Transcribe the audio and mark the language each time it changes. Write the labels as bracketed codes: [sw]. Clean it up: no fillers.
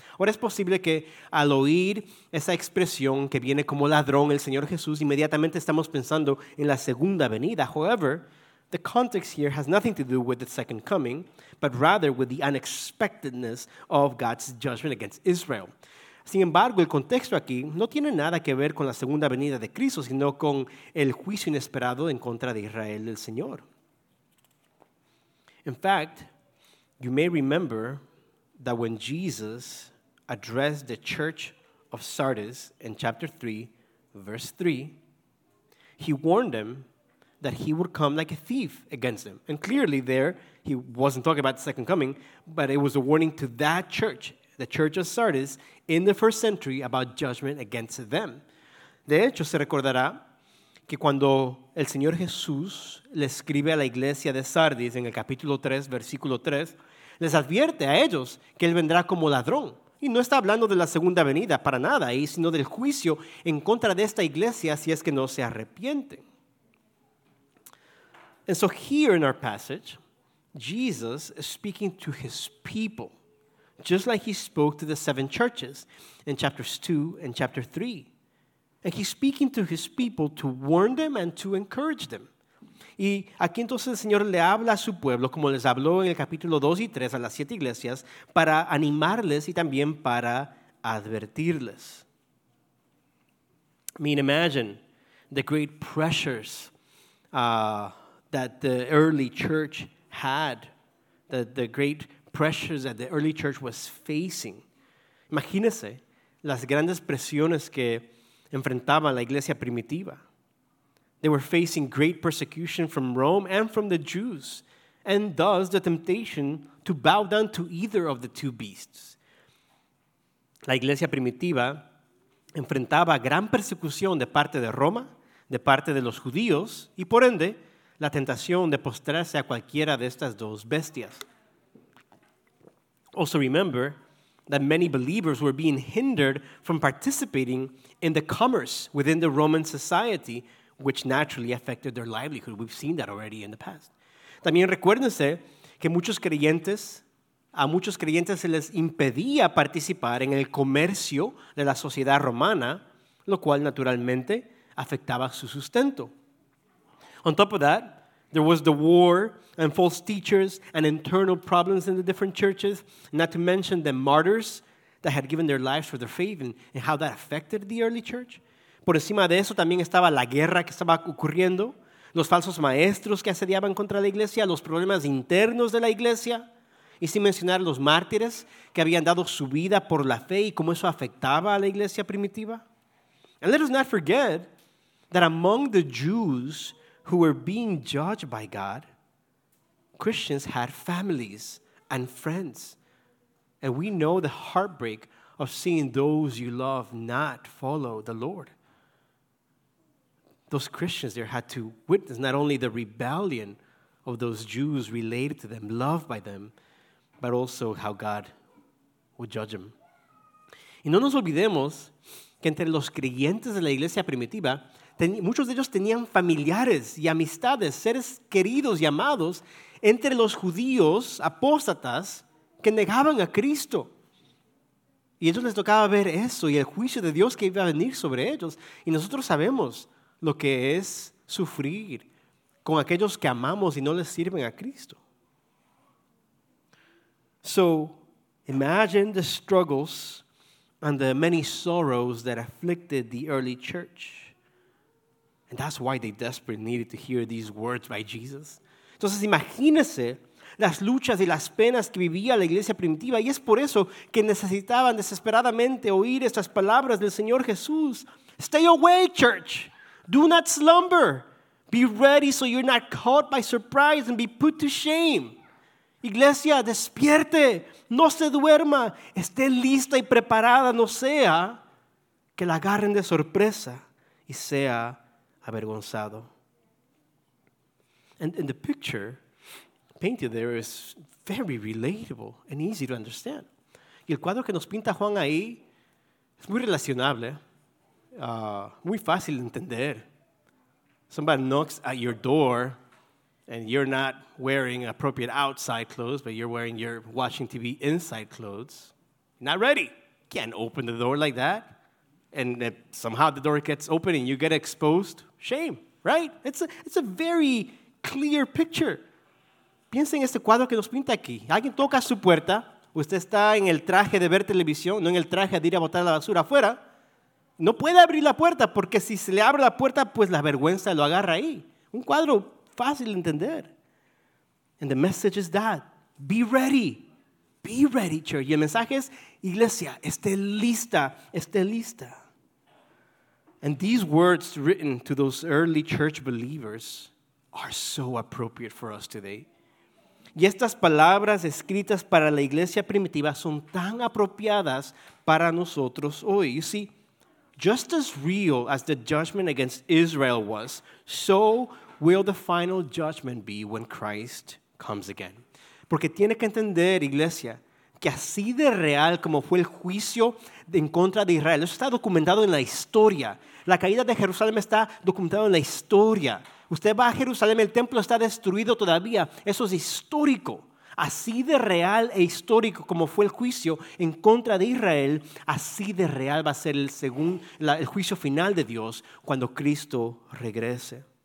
[es] Ahora es posible que al oír esa expresión que viene como ladrón el Señor Jesús, inmediatamente estamos pensando en la segunda venida. [en] However, the context here has nothing to do with the second coming, but rather with the unexpectedness of God's judgment against Israel. [es] Sin embargo, el contexto aquí no tiene nada que ver con la segunda venida de Cristo, sino con el juicio inesperado en contra de Israel del Señor. [en] In fact, you may remember that when Jesus addressed the church of Sardis in chapter 3, verse 3, he warned them that he would come like a thief against them. And clearly there, he wasn't talking about the second coming, but it was a warning to that church, the church of Sardis, in the first century about judgment against them. [es] De hecho, se recordará que cuando el Señor Jesús le escribe a la iglesia de Sardis en el capítulo 3, versículo 3, les advierte a ellos que él vendrá como ladrón. Y no está hablando de la segunda venida para nada, sino del juicio en contra de esta iglesia si es que no se arrepiente. [en] And so here in our passage, Jesus is speaking to his people, just like he spoke to the seven churches in chapters 2 and chapter 3. And he's speaking to his people to warn them and to encourage them. [es] Y aquí entonces el Señor le habla a su pueblo, como les habló en el capítulo 2 y 3 a las siete iglesias, para animarles y también para advertirles. [en] I mean, imagine the great pressures that the early church had, the great pressures that the early church was facing. [es] Imagínense las grandes presiones que enfrentaba la iglesia primitiva. [en] They were facing great persecution from Rome and from the Jews, and thus the temptation to bow down to either of the two beasts. [es] La iglesia primitiva enfrentaba gran persecución de parte de Roma, de parte de los judíos, y por ende, la tentación de postrarse a cualquiera de estas dos bestias. [en] Also remember that many believers were being hindered from participating in the commerce within the Roman society, which naturally affected their livelihood. We've seen that already in the past. [es] También recuérdense que a muchos creyentes se les impedía participar en el comercio de la sociedad romana, lo cual naturalmente afectaba su sustento. [en] On top of that, there was the war and false teachers and internal problems in the different churches, not to mention the martyrs that had given their lives for their faith and how that affected the early church. [es] Por encima de eso también estaba la guerra que estaba ocurriendo, los falsos maestros que asediaban contra la iglesia, los problemas internos de la iglesia, y sin mencionar los mártires que habían dado su vida por la fe y cómo eso afectaba a la iglesia primitiva. [en] And let us not forget that among the Jews who were being judged by God, Christians had families and friends. And we know the heartbreak of seeing those you love not follow the Lord. Those Christians there had to witness not only the rebellion of those Jews related to them, loved by them, but also how God would judge them. [es] Y no nos olvidemos que entre los creyentes de la iglesia primitiva, muchos de ellos tenían familiares y amistades, seres queridos y amados, entre los judíos apóstatas que negaban a Cristo. Y a ellos les tocaba ver eso y el juicio de Dios que iba a venir sobre ellos. Y nosotros sabemos lo que es sufrir con aquellos que amamos y no les sirven a Cristo. [en] So, imagine the struggles and the many sorrows that afflicted the early church. And that's why they desperately needed to hear these words by Jesus. [es] Entonces, imagínense las luchas y las penas que vivía la iglesia primitiva, y es por eso que necesitaban desesperadamente oír estas palabras del Señor Jesús. [en] Stay away, church! Do not slumber. Be ready so you're not caught by surprise and be put to shame. [es] Iglesia, despierte. No se duerma. Esté lista y preparada. No sea que la agarren de sorpresa y sea avergonzado. [en] And the picture painted there is very relatable and easy to understand. [es] Y el cuadro que nos pinta Juan ahí es muy relacionable. Muy fácil de entender. [en] Somebody knocks at your door and you're not wearing appropriate outside clothes, but you're wearing your watching TV inside clothes. Not ready. Can't open the door like that. And somehow the door gets open and you get exposed. Shame, right? It's a very clear picture. [es] Piensen en este cuadro que nos pinta aquí. Alguien toca su puerta. Usted está en el traje de ver televisión, no en el traje de ir a botar la basura afuera. No puede abrir la puerta, porque si se le abre la puerta, pues la vergüenza lo agarra ahí. Un cuadro fácil de entender. [en] And the message is that, be ready. Be ready, church. [es] Y el mensaje es, iglesia, esté lista, esté lista. [en] And these words written to those early church believers are so appropriate for us today. [es] Y estas palabras escritas para la iglesia primitiva son tan apropiadas para nosotros hoy. [en] You see, just as real as the judgment against Israel was, so will the final judgment be when Christ comes again. [es] Porque tiene que entender, iglesia, que así de real como fue el juicio en contra de Israel, eso está documentado en la historia. La caída de Jerusalén está documentado en la historia. Usted va a Jerusalén, el templo está destruido todavía. Eso es histórico. Así de real e histórico como fue el juicio en contra de Israel, así de real va a ser el juicio final de Dios cuando Cristo regrese.